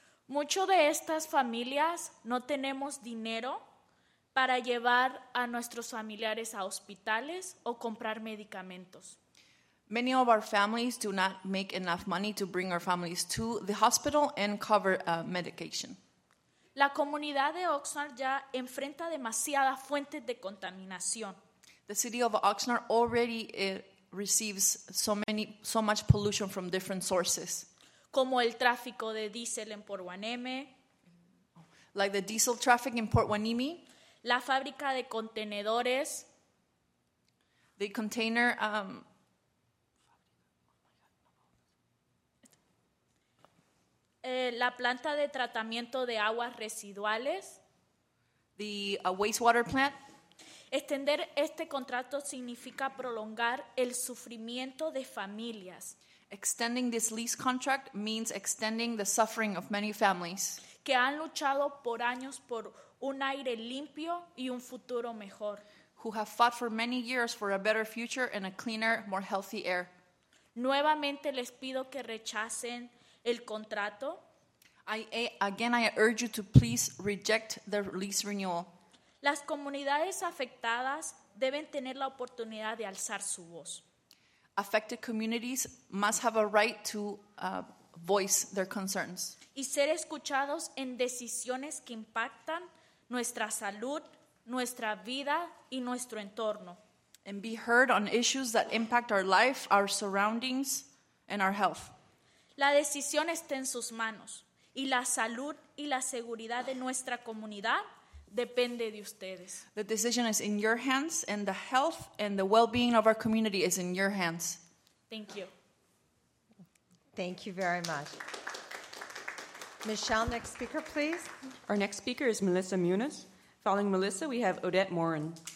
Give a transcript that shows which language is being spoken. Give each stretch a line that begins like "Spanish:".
Spanish: Mucho de estas familias no tenemos dinero para llevar a nuestros familiares a hospitales o comprar medicamentos.
English: Many of our families do not make enough money to bring our families to the hospital and cover medication.
Spanish: La comunidad de Oxnard ya enfrenta demasiadas fuentes de contaminación.
English: The city of Oxnard already receives so much pollution from different sources.
Spanish: Como el tráfico de diésel en Port Hueneme.
English: Like the diesel traffic in Port Hueneme.
Spanish: La fábrica de contenedores.
English: The container.
Spanish: La planta de tratamiento de aguas residuales.
English: The wastewater plant.
Spanish: Extender este contrato significa prolongar el sufrimiento de familias.
English: Extending this lease contract means extending the suffering of many families.
Spanish: Que han luchado por años por un aire limpio y un futuro mejor.
English: Who have fought for many years for a better future and a cleaner, more healthy air.
Spanish: Nuevamente les pido que rechacen el contrato.
English: I urge you to please reject the lease renewal.
Spanish: Las comunidades afectadas deben tener la oportunidad de alzar su voz.
English: Affected communities must have a right to voice their concerns.
Spanish: Y ser escuchados en decisiones que impactan nuestra salud, nuestra vida y nuestro entorno.
English: And be heard on issues that impact our life, our surroundings, and our health.
Spanish: La decisión está en sus manos y la salud y la seguridad de nuestra comunidad depende de ustedes.
English: The decision is in your hands, and the health and the well-being of our community is in your hands. Thank you. Thank you very much. Michelle, next speaker, please. Our next speaker is Melissa Muniz. Following Melissa, we have Odette Morin.